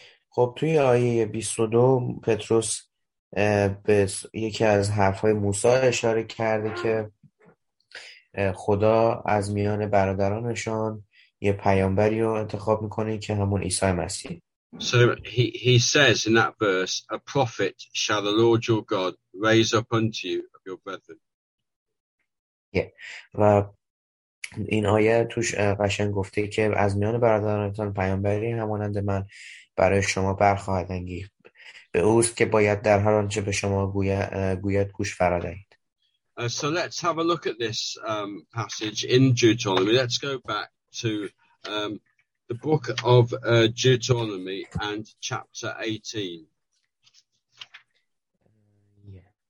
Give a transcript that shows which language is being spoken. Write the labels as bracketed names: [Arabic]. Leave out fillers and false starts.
[Persian] خب توی آیه 22 پتروس به یکی از حرفهای موسی اشاره کرده که خدا از میان برادرانشان یه پیامبری رو انتخاب میکنه که همون عیسی مسیح. [English] So he says in that verse, a prophet shall the Lord your God raise up unto you of your brethren. Yeah. [Persian] و این آیه توش قشنگ گفته که از میان برادرانتان پیامبری همانند من برای شما برخواهد انگیخت. به اوست که باید در هر آنچه به شما گوید گوش فرا دهید. [English] So let's have a look at this passage in Deuteronomy. Let's go back to the book of Deuteronomy and chapter 18. Yeah.